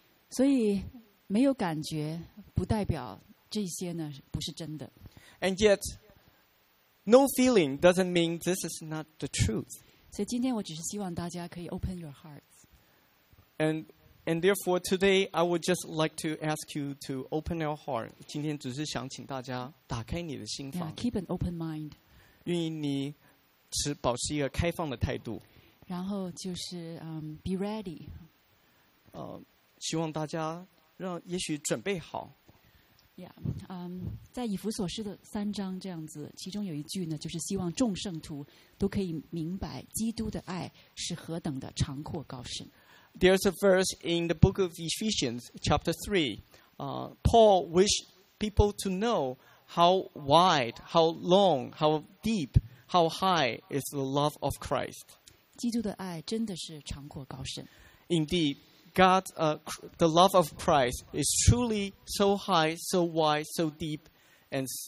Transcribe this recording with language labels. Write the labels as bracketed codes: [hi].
[zh] 所以没有感觉不代表这些呢不是真的。 [en] And yet, no feeling doesn't mean this is not the truth. [zh] 所以今天我只是希望大家可以 [en] open your hearts. And therefore, today, I would just like to ask you to open your heart. [zh] 今天只是想请大家打开你的心房。 [en] Yeah, keep an open mind. [zh] 愿意你持保持一个开放的态度。然后就是 [en] be ready. [zh] 希望大家让也许准备好。 Yeah, 在以弗所书的三章这样子，其中有一句呢，就是希望众圣徒都可以明白基督的爱是何等的长阔高深。 [en] There's a verse in the book of Ephesians, chapter 3. Paul wished people to know how wide, how long, how deep, how high is the love of Christ. [zh] 基督的爱真的是长阔高深。 [en] Indeed, God, the love of Christ is truly so high, so wide, so deep, and